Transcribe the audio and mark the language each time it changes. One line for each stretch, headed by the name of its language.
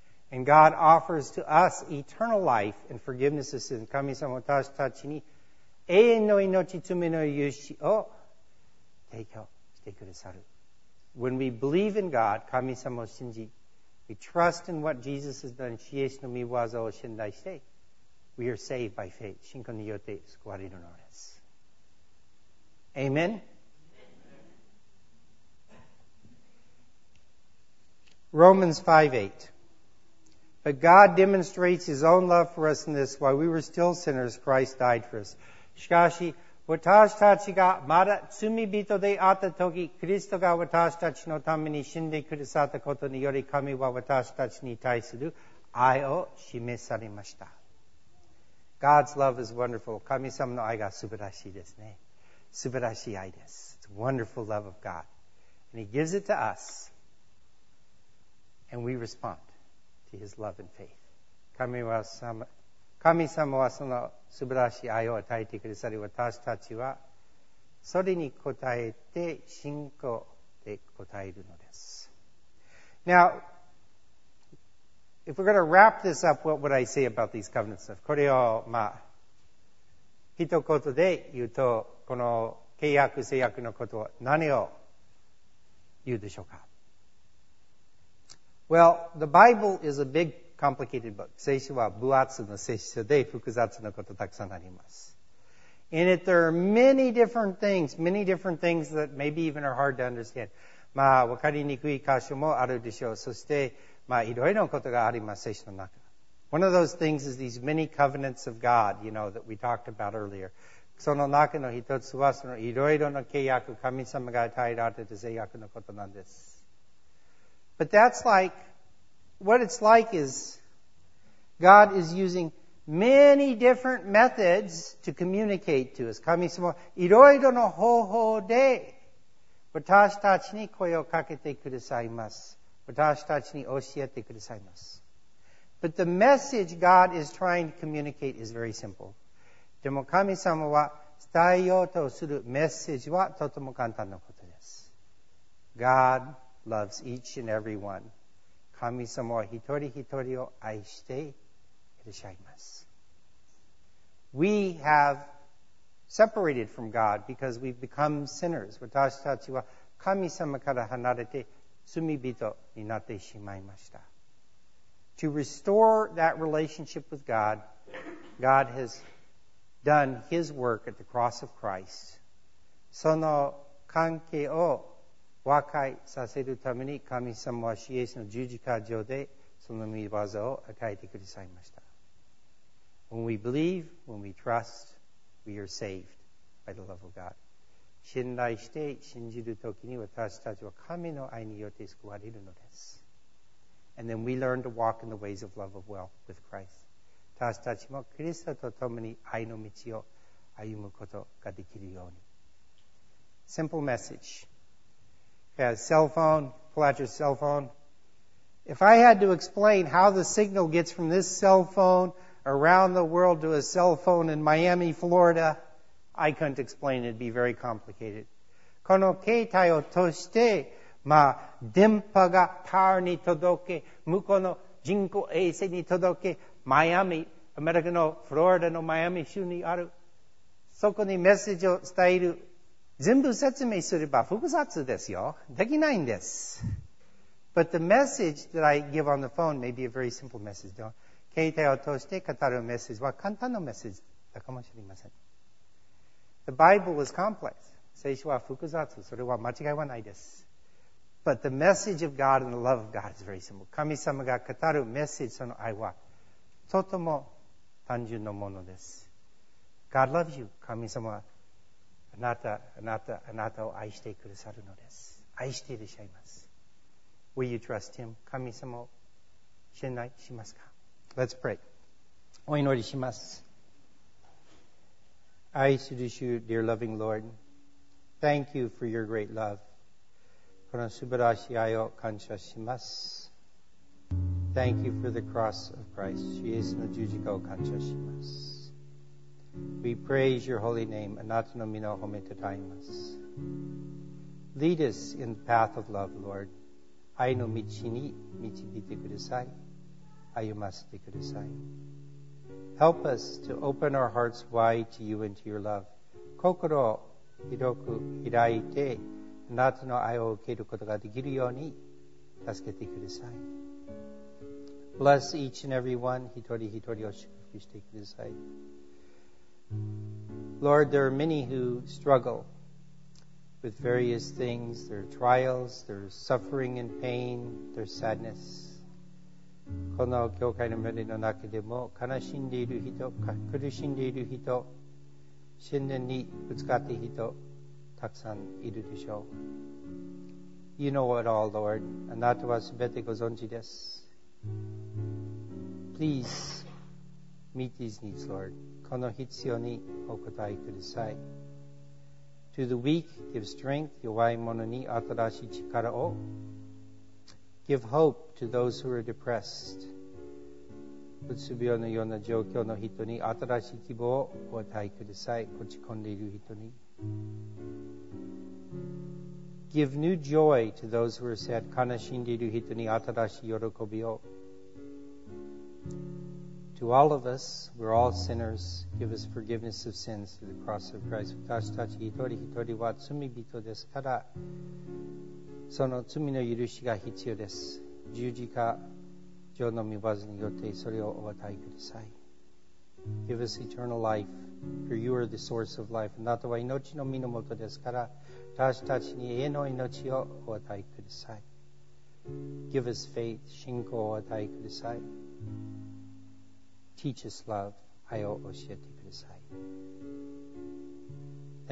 English: And God offers to us eternal life and forgiveness of sin,
Japanese: 神様は私たちに永遠の命、罪の許しを提供してくださる。
English: When we believe in God,
Japanese: 神様を信じ、
English: We trust in what Jesus has done.
Japanese: シエスの御業を信頼して
English: We are saved by faith.
Japanese: 信仰によって救われるのです。
English: Amen. Romans 5:8. But God demonstrates his own love for us in this. While we were still sinners, Christ died for us.
Japanese: しかし、私たちがまだ罪人であったとき、キリストが私たちのために死んでくださったことにより、神は私たちに対する愛を示されました。
English: God's love is wonderful.
Japanese: 神様の愛が素晴らしいですね。素晴らしい愛です。
English: It's a wonderful love of God. And he gives it to us. And we respond to his love and faith.
Japanese: 神様はその素晴らしい愛を与えてくださり、私たちはそれに応えて信仰で応えるのです。
English: Now, if we're going to wrap this up, what would I say about these covenants?
Japanese: これを、まあ、一言で言うと、この契約、契約のことは何を言うでしょうか?
English: Well, the Bible is a big complicated book.
Japanese: 聖書は分厚な聖書で複雑なことたくさんあります。
English: In it, there are many different things that maybe even are hard to understand.
Japanese: まあ、分かりにくい箇所もあるでしょう。そして、まあ、いろいろなことがあります、聖書の中。
English: One of those things is these many covenants of God, you know, that we talked about earlier.
Japanese: その中の一つは、そのいろいろな契約、神様が与えられた契約のことなんです。
English: But that's like, what it's like is God is using many different methods to communicate to us.
Japanese: 神様、いろいろの方法で私たちに声をかけてくださいます。私たちに教えてくださいます。
English: But the message God is trying to communicate is very simple.
Japanese: でも神様は伝えようとするメッセージはとても簡単なことです。
English: God loves each and every one.
Japanese: 神様は一人一人を愛していらっしゃいます。
English: We have separated from God because we've become sinners.
Japanese: 私たちは神様から離れて罪人になってしまいました。
English: To restore that relationship with God, God has done His work at the cross of Christ.
Japanese: その関係を和解させるために神様はイエスの十字架上でその御業を与えてくださいました。
English: When we believe, when we trust, we are saved by the love of God.
Japanese: 信頼して信じるときに私たちは神の愛によって救われるのです。
English: And then we learn to walk in the ways of love of well with Christ.
Japanese: 私たちもキリストと共に愛の道を歩むことができるように。
English: Simple message. If you have a cell phone, pull out your cell phone. If I had to explain how the signal gets from this cell phone around the world to a cell phone in Miami, Florida, I couldn't explain it. It'd be very complicated.
Japanese: この携帯を通して、まあ、電波がタワーに届け、向こうの人工衛星に届け、マイアミ、アメリカのフロリダのマイアミ州にある、そこにメッセージを伝える、全部説明すれば複雑ですよ。できないんです。
English: But the message that I give on the phone may be a very simple message.
Japanese: 携帯を通して語るメッセージは簡単なメッセージだかもしれません。
English: The Bible was complex.
Japanese: 聖書は複雑。それは間違いはないです。
English: But the message of God and the love of God is very simple.
Japanese: 神様が語るメッセージその愛はとても単純のものです。
English: God loves you.
Japanese: 神様はあなたを愛してくださるのです。愛していらっしゃいます。
English: Will you trust Him?
Japanese: 神様を信頼しますか?
English: Let's pray.
Japanese: お祈りします。愛する主、
English: dear loving Lord, thank you for your great love.
Japanese: この素晴らしい愛を感謝します。
English: Thank you for the cross of Christ.
Japanese: イエスの十字架を感謝します。
English: We praise your holy name.
Japanese: あなたの御名を褒めて称えます。
English: Lead us in the path of love, Lord.
Japanese: 愛の道に導いてください。歩ませてください。
English: Help us to open our hearts wide to you and to your love.
Japanese: 心を広く開いて、あなたの愛を受けることができるように助けてください。
English: Bless each and every one,
Japanese: 一人一人を祝福してください。
English: Lord, there are many who struggle with various things, their trials, their suffering and pain, their sadness.
Japanese: この教会の群れの中でも悲しんでいる人、苦しんでいる人、信念にぶつかっている人、たくさんいるでしょう。
English: You know it all, Lord.
Japanese: あなたはすべてご存知です。
English: Please meet these needs, Lord.
Japanese: この必要にお答えください。
English: To the weak, give strength.
Japanese: 弱い者に新しい力を。
English: Give hope to those who are depressed.
Japanese: うつ病のような状況の人に新しい希望をお与えください。落ち込んでいる人に。
English: Give new joy to those who are sad.
Japanese: 悲しんでいる人に新しい喜びを。
English: To all of us, we're all sinners. Give us forgiveness of sins through the cross of Christ.
Japanese: 私たち一人一人は罪人ですから、その罪の許しが必要です。十字架上の御業によってそれをお与えください。
English: Give us eternal life, for you are the source of life.
Japanese: あなたは命の源ですから、私たちに永遠の命をお与えください。
English: Give us faith,
Japanese: 信仰をお与えください。
English: Teach us love,
Japanese: 愛を教えてください。